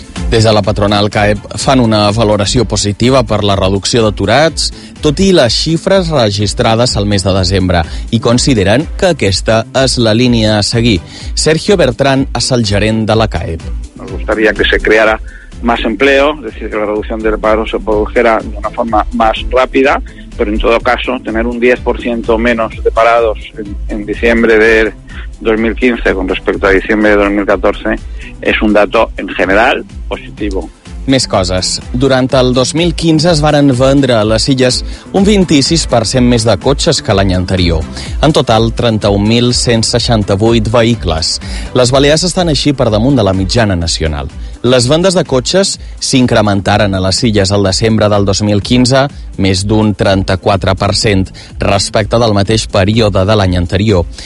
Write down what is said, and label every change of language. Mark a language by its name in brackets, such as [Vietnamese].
[Catalan] Des de la patronal CAEP fan una valoració positiva per la reducció d'aturats, tot i les xifres registrades al mes de desembre, i consideren que aquesta és la línia a seguir. Sergio Bertran és el gerent de la CAEP. [Spanish] Me gustaría que se creara más empleo, es decir, que la reducción del paro se produjera de una forma más rápida, pero en todo caso, tener un 10% menos de parados en diciembre de 2015 con respecto a diciembre de 2014 es un dato en general positivo. [Catalan] Més coses. Durant el 2015 es varen vendre a les Illes un 26% més de cotxes que l'any anterior. En total, 31.168 vehicles. Les Balears estan així per damunt de la mitjana nacional. Les vendes de cotxes s'incrementaren a les Illes el desembre del 2015 més d'un 34% respecte del mateix període de l'any anterior.